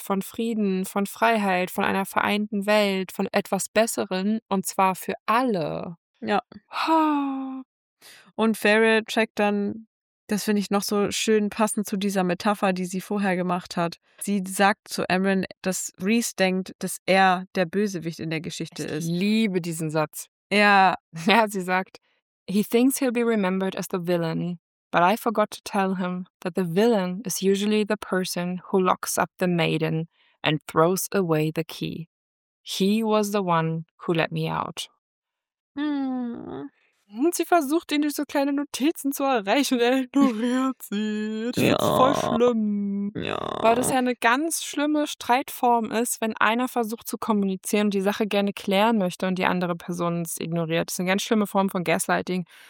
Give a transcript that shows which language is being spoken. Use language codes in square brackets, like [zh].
[de] Von Frieden, von Freiheit, von einer vereinten Welt, von etwas Besseren und zwar für alle. Ja. Und Feyre checkt dann, das finde ich noch so schön passend zu dieser Metapher, die sie vorher gemacht hat. Sie sagt zu Emrin, dass Rhys denkt, dass er der Bösewicht in der Geschichte ich ist. Ich liebe diesen Satz. Ja. Ja, sie sagt, [en] he thinks he'll be remembered as the villain, but I forgot to tell him that the villain is usually the person who locks up the maiden and throws away the key. He was the one who let me out. [de] Und sie versucht, ihn durch so kleine Notizen zu erreichen. Er ignoriert sie. Das ist voll schlimm. Ja. Weil das ja eine ganz schlimme Streitform ist, wenn einer versucht zu kommunizieren und die Sache gerne klären möchte und die andere Person es ignoriert. Das ist eine ganz schlimme Form von Gaslighting.